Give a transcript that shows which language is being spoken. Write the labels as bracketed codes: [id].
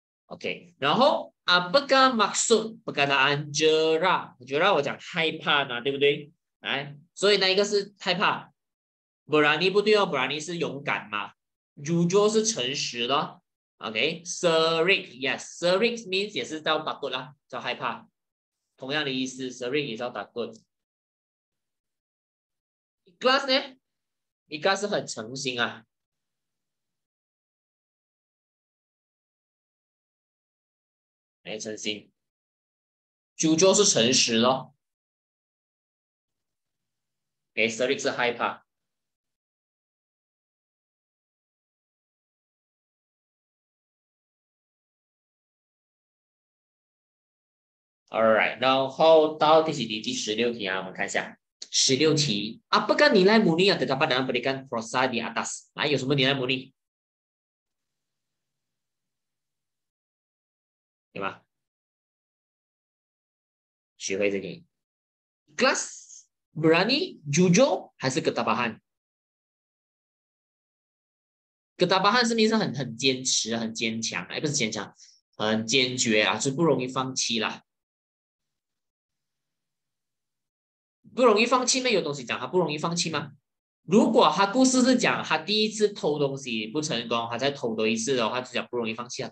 [ms] Oke. Lalu, apakah maksud perkataan jerah? Jerah, saya cakap, haipa. Betul? Jadi, itu adalah haipa.Berani [zh] 不对哦， [ms] berani [zh] 是勇敢嘛。 Jujur 是诚实的。 OK，Serik yes，Serik means 也是叫 takut 啦，叫害怕，同样的意思 ，Serik 也叫 takut。 Ikhlas 呢 ？Ikhlas 是很诚心啊。没诚心，就就是诚实咯。给 Siri 是害怕。 All right， 然后到第几题？第十六题啊，我们看一下十六题。 [ms] Apakah nilai murni yang terdapat dalam berikan prosa di atas？ [zh] 来，有什么 [ms] nilai murni？ [zh] 对吧？学会这个 ，class berani jujur 还是 ketabahan？ ketabahan 是不是很坚持、很坚强？哎，不是坚强，很坚决啊，是不容易放弃啦，不容易放弃吗？有东西讲他不容易放弃吗？如果他故事是讲他第一次偷东西不成功，他再偷多一次的话，就讲不容易放弃啊。